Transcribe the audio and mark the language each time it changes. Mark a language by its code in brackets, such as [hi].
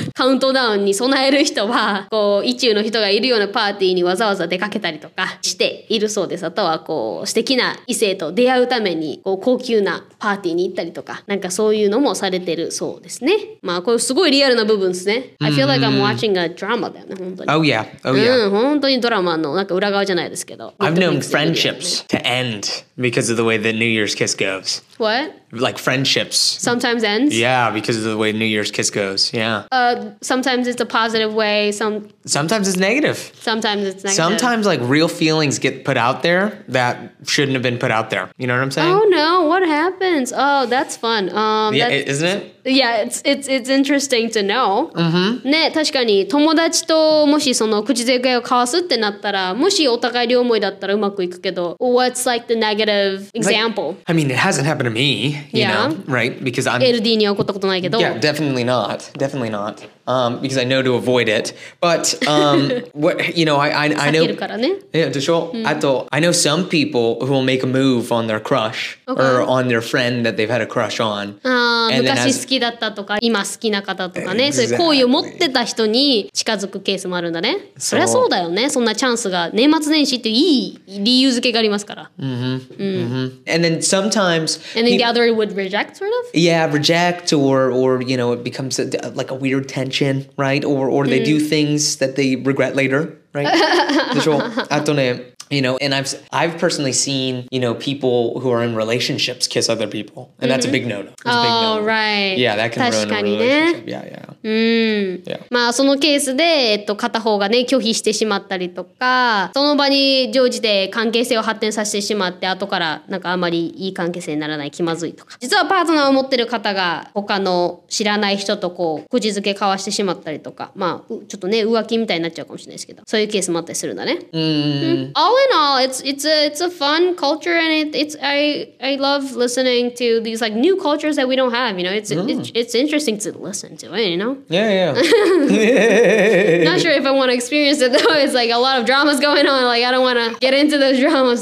[ja] カウントダウンに備える人はこう意中の人がいるようなパーティーにわざわざ出かけたりとかしているそうです。あとはこう素敵な異性と出会うためにこう高級なパーティーに行ったりとか、なんかそういうのもされてるそうですね。まあこれすごいリアルな部分ですね。 [en] I feel like I'm watching a drama [ja] だよね、本当に。 [en] Oh yeah, oh yeah. [ja] 本当にドラマのなんか裏側じゃないですけど。 [en] I've known friendships to end because of the way the New Year's kiss goes. What? Like friendships. Sometimes ends? Yeah, because of the way New Year's kiss goes. Yeah. Sometimes it's a positive way. Sometimes it's negative. Sometimes it's negative. Sometimes like real feelings get put out there that shouldn't have been put out there. You know what I'm saying? Oh no, what happens? Oh, that's fun. Isn't it? Yeah, it's interesting to know. Mm-hmm. [ja] ね、確かに友達ともしその口づけを交わすってなったら、もしお互い両思いだったらうまくいくけど、 [en] What's like the negative example? Like, I mean, it hasn't happened to me, you yeah. know, right? Because I'm... [ja] LD に起こったことないけど。 [en] Yeah, definitely not. Definitely not. Because I know to avoid it. But, what, you know, I know... [ja] 避けるからね。 [en] Yeah, [ja] でしょ、うん、あと、 [en] I know some people who will make a move on their crush、okay. or on their friend that they've had a crush on. And then [ja] 昔好きだったとか、今好きな方とかね。Exactly. そういう好意を持ってた人に近づくケースもあるんだね。So, それはそうだよね。そんなチャンスが年末年始っていい理由付けがありますから。 [en] And then sometimes... And then the other would reject, sort of? Yeah, reject or you know, it becomes like a weird tension. Right? Or they do things that they regret later, right? [ja] でしょ? [en] あとね、you know, and I've personally seen, you know, people who are in relationships kiss other people. And mm-hmm. that's a big no-no. That's a big no-no. Oh, right. Yeah, that can ruin a relationship. [ja] ね、 [en] yeah, yeah. Yeah. [ja] まあそのケースで、片方がね拒否してしまったりとか、その場に乗じて関係性を発展させてしまって、後からなんかあまりいい関係性にならない、気まずいとか、実はパートナーを持ってる方が他の知らない人とこうくじづけ交わしてしまったりとか、まあちょっとね浮気みたいになっちゃうかもしれないですけど、そういうケースもあったりするんだね。 [en] All in all, it's a fun culture and I love listening to these like new cultures that we don't have. You know, it's interesting to listen to. You know. Yeah. Not sure if I want to experience it though. It's like a lot of dramas going on. Like I don't want to get into those dramas.